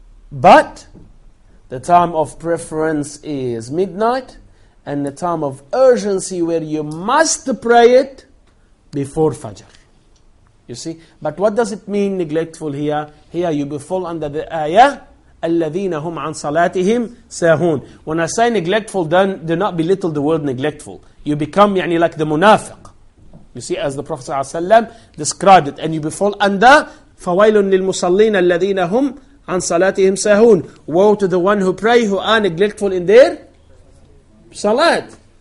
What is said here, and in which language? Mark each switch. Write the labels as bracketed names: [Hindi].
[English] But the time of preference is midnight, and the time of urgency where you must pray it before Fajr. You see? But what does it mean neglectful here? Here you befall under the ayah [Arabic] الذين هم عن صلاتهم ساهون. [English] When I say neglectful, don't do not belittle the word neglectful. You become يعني like the منافق. You see, as the Prophet صلى الله عليه وسلم described it, and you fall under [Arabic] فويل للمصلين الذين هم عن صلاتهم ساهون. [English] Woe to the one who pray who are neglectful in their salat.